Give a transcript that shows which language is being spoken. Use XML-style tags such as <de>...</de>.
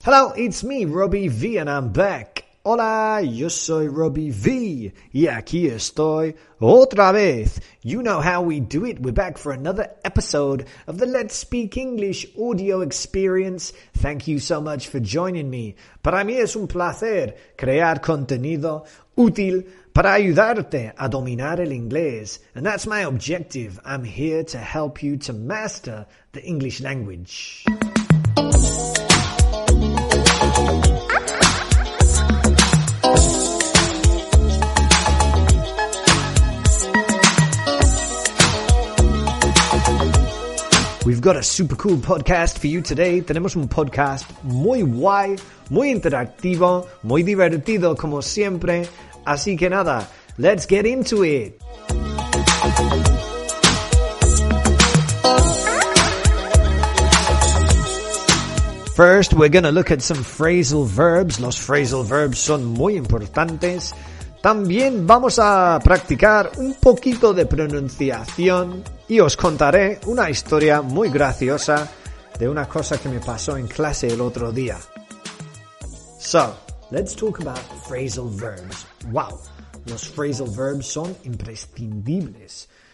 <en>Hello, it's me, Robbie V, and I'm back.</en> <es>Hola, yo soy Robbie V, y aquí estoy otra vez.</es> <en>You know how we do it. We're back for another episode of the Let's Speak English audio experience. Thank you so much for joining me.</en> <es>Para mí es un placer crear contenido útil para ayudarte a dominar el inglés.</es> <en>And that's my objective. I'm here to help you to master the English language. We've got a super cool podcast for you today.</en> <es>Tenemos un podcast muy guay, muy interactivo, muy divertido, como siempre. Así que nada,</es> <en>let's get into it. First, we're gonna look at some phrasal verbs.</en> <es>Los phrasal verbs son muy importantes. También vamos a practicar un poquito de pronunciación y os contaré una historia muy graciosa de una cosa que me pasó en clase el otro día.</es> <en>So, let's talk about phrasal verbs. Wow,</en> <es>los phrasal verbs son imprescindibles.</es>